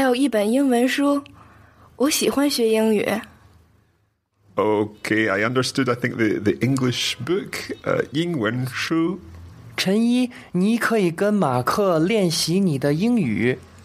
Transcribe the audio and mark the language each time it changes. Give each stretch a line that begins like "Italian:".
Chinese: 一条项链,还有一本英文书,我喜欢学英语。
English: Okay, I understood, I think, the English book, 英文书.
Chinese: 陈一,你可以跟马克练习你的英语。